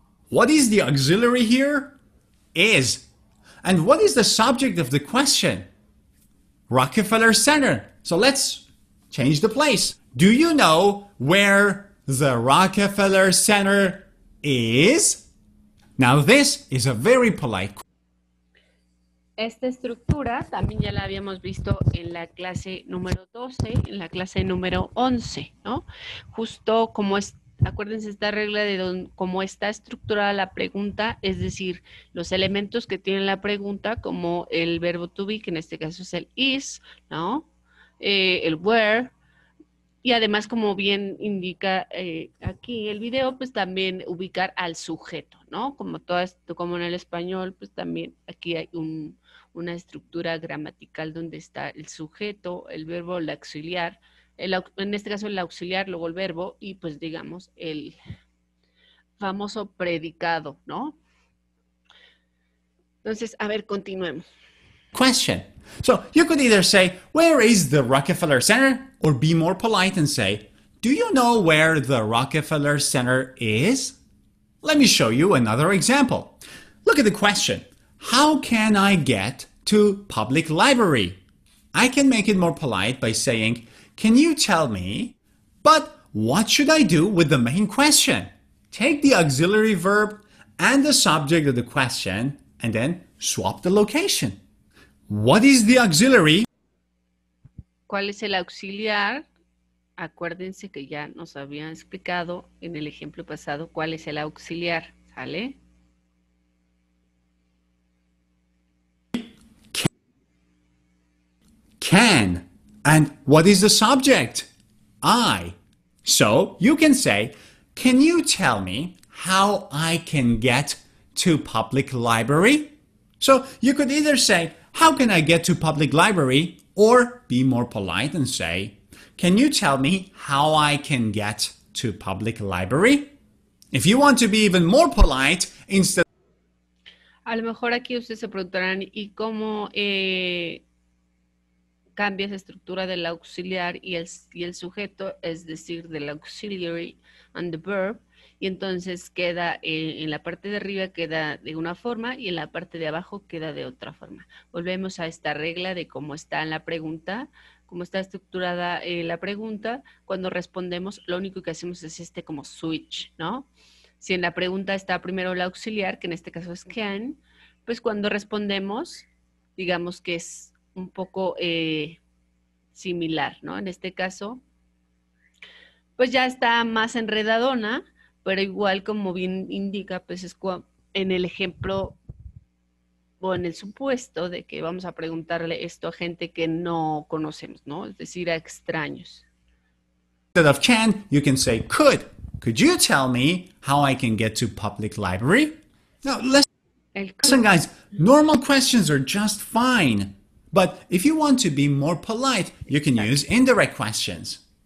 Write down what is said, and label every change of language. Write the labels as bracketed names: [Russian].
[English] What is the auxiliary here? Is. And what is the subject of the question? Rockefeller Center. So let's change the place. Do you know where the Rockefeller Center is? Now this is a very polite [Spanish] Esta estructura también ya la habíamos visto en la clase número 12, en la clase número 11, ¿no? Justo como es, acuérdense esta regla de cómo está estructurada la pregunta, es decir, los elementos que tiene la pregunta, como el verbo to be, que en este caso es el is, ¿no? El where. Y además, como bien indica aquí el video, pues también ubicar al sujeto, ¿no? Como en el español, pues también aquí hay una estructura gramatical donde está el sujeto, el verbo, el auxiliar, en este caso el auxiliar, luego el verbo y pues digamos el famoso predicado, ¿no? Entonces, a ver, continuemos. [English] Question. So, you could either say, where is the Rockefeller Center? Or be more polite and say, do you know where the Rockefeller Center is? Let me show you another example. Look at the question. How can I get to public library? I can make it more polite by saying, can you tell me? But what should I do with the main question? Take the auxiliary verb and the subject of the question and then swap the location. What is the auxiliary? [Spanish] ¿Cuál es el auxiliar? Acuérdense que ya nos habían explicado en el ejemplo pasado cuál es el auxiliar, ¿sale? [English] Can. And what is the subject? I. So you can say, can you tell me how I can get to public library? So you could either say, how can I get to public library? Or be more polite and say, can you tell me how I can get to public library? If you want to be even more polite, instead. [Spanish] A lo mejor aquí ustedes se preguntarán, ¿y cómo cambia esa estructura del auxiliar y el sujeto, es decir, del [English] auxiliary and the verb? [Spanish] Y entonces queda en la parte de arriba queda de una forma y en la parte de abajo queda de otra forma. Volvemos a esta regla de cómo está en la pregunta, cómo está estructurada la pregunta. Cuando respondemos, lo único que hacemos es este como switch, ¿no? Si en la pregunta está primero el auxiliar, que en este caso es can, pues cuando respondemos, digamos que es un poco similar, ¿no? En este caso, pues ya está más enredadona, pero igual, como bien indica, pues es en el ejemplo o en el supuesto de que vamos a preguntarle esto a gente que no conocemos, ¿no? Es decir, a extraños. [English] Instead of can, you can say could. Could you tell me how I can get to public library? Now, listen, guys, normal questions are just fine. But if you want to be more polite, you can use indirect questions.